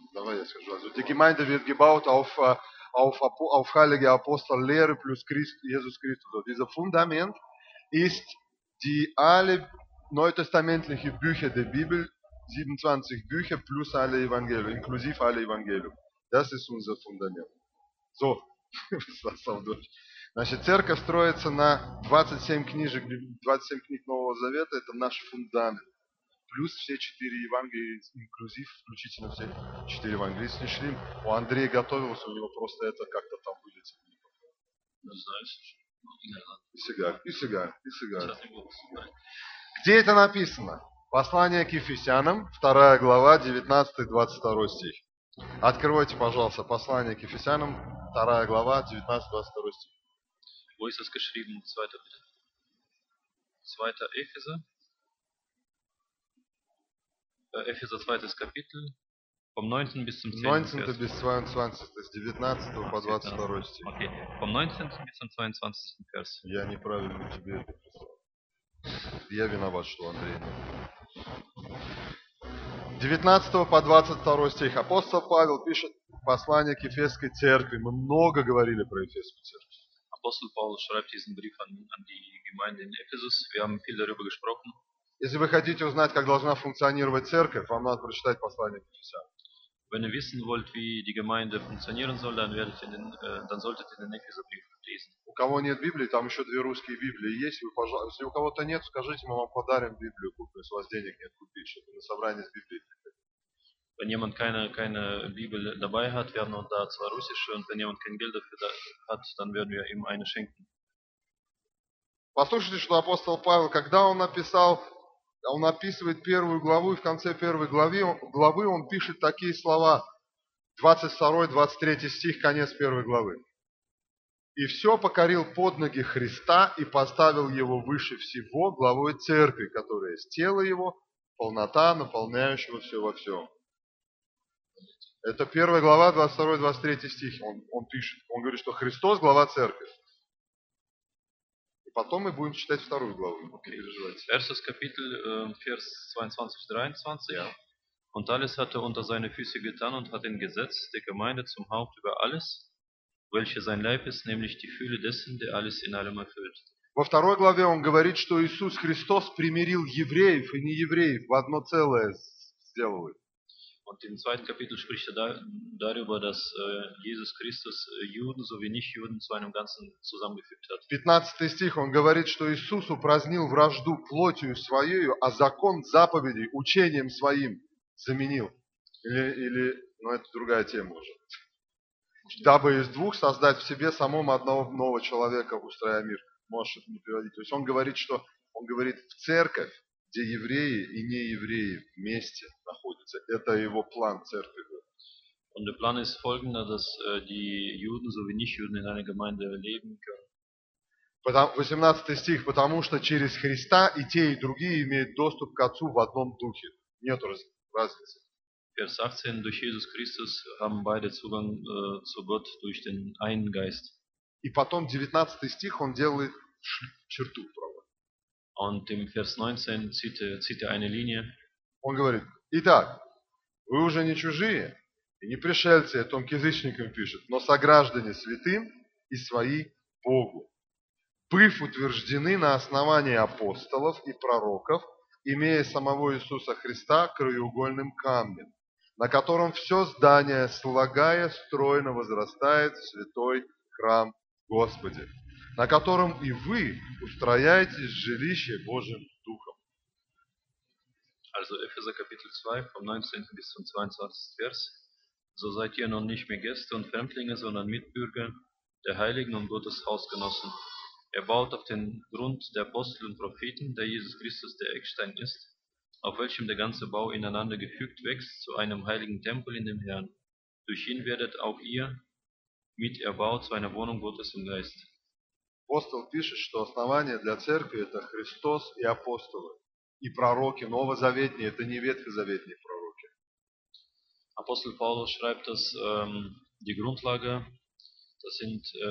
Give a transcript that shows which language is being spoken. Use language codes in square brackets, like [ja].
[de] Also die Gemeinde wird gebaut auf heilige Apostellehre plus Jesus Christus. Also dieser Fundament ist die alle neutestamentlichen Bücher der Bibel. 27 Bücher plus alle Evangelien, inklusive alle Evangelien. Das ist unser Fundament. So, das auf Deutsch. [ru] Значит, церковь строится на 27 книжек, 27 книг Нового Завета, это наш фундамент. Плюс все 4 Евангелия, инклюзив, включительно все 4 Евангелия. Если шли, у Андрея готовился, у него просто это как-то там вылетело. Не знаю, слушай. И сигар. Где это написано? Послание к Ефесянам, 2 глава, 19-22 стих. Откройте, пожалуйста, послание к Ефесянам, 2 глава, 19-22 стих. [de] Wo ist das geschrieben? Zweiter bitte. Zweiter Epheser. Epheser, zweites Kapitel. Vom 19. bis zum 19. bis 22. [ru] С 19 по 22 стих. [de] Okay. Vom 19. bis zum 22. Vers. [ru] Я неправильно тебе это писал. Я виноват, что Андрей. 19 по 22 стих. Апостол Павел пишет послание к Ефесской церкви. Мы много говорили про Ефесскую церковь. [de] Апостол Павел schreibt diesen Brief an die Gemeinde in Ephesus. Wir haben viel darüber gesprochen. [ru] Если вы хотите узнать, как должна функционировать церковь, вам надо прочитать послание к Ефесянам. [de] Wenn ihr wissen wollt, wie die Gemeinde funktionieren soll, dann werdet ihr den, dann solltet ihr den Epheser Brief lesen. [ru] У кого нет Библии, там еще две русские Библии есть. Вы, пожалуйста, если у кого-то нет, скажите, мы вам подарим Библию, купим, если у вас денег нет, купить, чтобы на собрание с Библией приходить. [de] Wenn jemand keine Bibel dabei hat, werden wir da zwar russisch, und wenn jemand kein Geld dafür hat, dann werden wir ihm eine schenken. [ru] Послушайте, что апостол Павел, когда он написал, он описывает первую главу, и в конце первой главы он пишет такие слова, 22-23 стих, конец первой главы. «И все покорил под ноги Христа и поставил его выше всего главой церкви, которая есть тело его, полнота, наполняющего все во всем». Это первая глава, 22-23 стих. Он пишет, он говорит, что Христос – глава церкви. И потом мы будем читать вторую главу. [de] Erstes Kapitel, Vers 22-23. Yeah. «Und alles hat er unter seine Füße getan und hat ihn gesetzt, der Gemeinde zum Haupt über alles, welche sein Leib ist, nämlich die Fülle dessen, der alles in allem erfüllt». [ru] Во второй главе он говорит, что Иисус Христос примирил евреев и неевреев в одно целое сделал. [de] Und im zweiten Kapitel spricht er darüber, dass Jesus Christus Juden sowie Nicht-Juden zu einem Ganzen zusammengefügt hat. [ru] 15. стих, он говорит, что Иисус упразднил вражду плотью своей, а закон заповедей учением своим заменил. Или, ну это другая тема уже. Дабы из двух создать в себе самом одного нового человека, устроя мир. Можешь это не переводить. То есть он говорит в церковь, где евреи и неевреи вместе находятся. Это его план церкви. [de] Und der Plan ist folgender, dass die Juden sowie Nichtjuden in einer Gemeinde leben können. [ru] 18 стих, потому что через Христа и те, и другие имеют доступ к Отцу в одном духе. Нет разницы. [de] Vers 18, durch Jesus Christus haben beide Zugang zu Gott durch den einen Geist. [ru] И потом 19 стих, он делает черту. [de] Und im Vers 19 zieht er eine Linie. [ru] Он говорит, итак, вы уже не чужие и не пришельцы, о том к язычникам пишет, но сограждане святым и свои Богу, быв утверждены на основании апостолов и пророков, имея самого Иисуса Христа краеугольным камнем, на котором все здание, слагая, стройно возрастает в святой храм Господи, на котором и вы устрояетесь жилище Божьим Духом. [de] Also Epheser Kapitel 2, vom 19. bis zum 22. Vers. So seid ihr nun nicht mehr Gäste und Fremdlinge, sondern Mitbürger der Heiligen und Gottes Hausgenossen. Er baut auf den Grund der Apostel und Propheten, der Jesus Christus der Eckstein ist, auf welchem der ganze Bau ineinander gefügt wächst zu einem heiligen Tempel in dem Herrn. Durch ihn werdet auch ihr mit erbaut zu einer Wohnung Gottes im Geist. [ru] Апостол пишет, что основание для церкви – это Христос и апостолы, и пророки новозаветные, это не ветхозаветные пророки. [de] Апостол Павел schreibt, dass die Grundlage, das sind